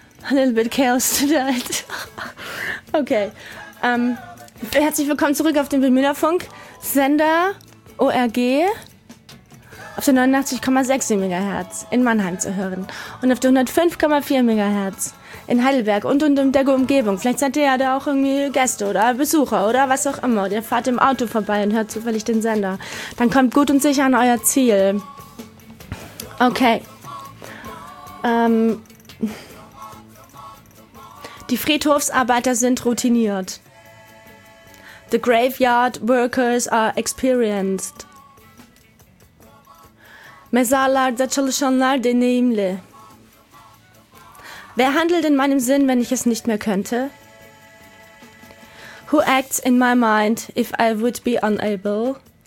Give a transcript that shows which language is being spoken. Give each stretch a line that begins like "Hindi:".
English: A little bit chaos tonight. Okay.
German: Herzlich willkommen zurück auf dem Wilmüllerfunk. Sender ORG auf der 89,6 MHz in Mannheim zu hören. Und auf der 105,4 MHz in Heidelberg und in der Umgebung. Vielleicht seid ihr ja da auch irgendwie Gäste oder Besucher oder was auch immer. Und ihr fahrt im Auto vorbei und hört zufällig den Sender. Dann kommt gut und sicher an euer Ziel. Okay. Die Friedhofsarbeiter sind routiniert.
English: The graveyard workers are experienced.
Turkish: Mezarlar da çalışanlar deneyimli.
German: Wer handelt in meinem Sinn, wenn ich es nicht mehr könnte?
English: Who acts in my mind if I would be unable?